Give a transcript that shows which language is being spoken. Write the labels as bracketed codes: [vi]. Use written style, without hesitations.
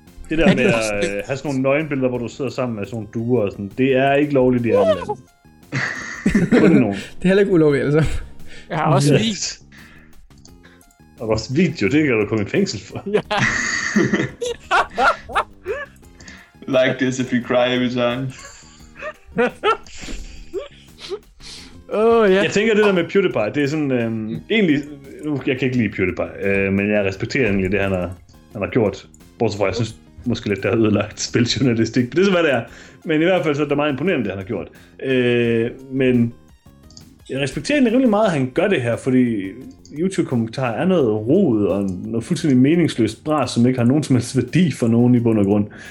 [da] Det der med at have sådan nogle nøgenbilleder, hvor du sidder sammen med sådan nogle duer og sådan, det er ikke lovligt i andet. Det er heller ikke ulovligt, altså. Jeg har også vist. Og vores video, det kan du komme i fængsel for. [en] Like this if you cry every time. Oh, yeah. [da] Jeg tænker, det der med PewDiePie, det er sådan... egentlig... Nu, jeg kan ikke lide PewDiePie, men jeg respekterer egentlig det, han har gjort. Bortset fra, jeg synes måske lidt, det har ødelagt spiljournalistik. Det er så, hvad det er. Men i hvert fald så er det meget imponerende, det han har gjort. Men jeg respekterer egentlig rimelig meget, at han gør det her, fordi YouTube-kommentarer er noget rod og noget fuldstændig meningsløst bras, som ikke har nogen som helst værdi for nogen i bund og grund.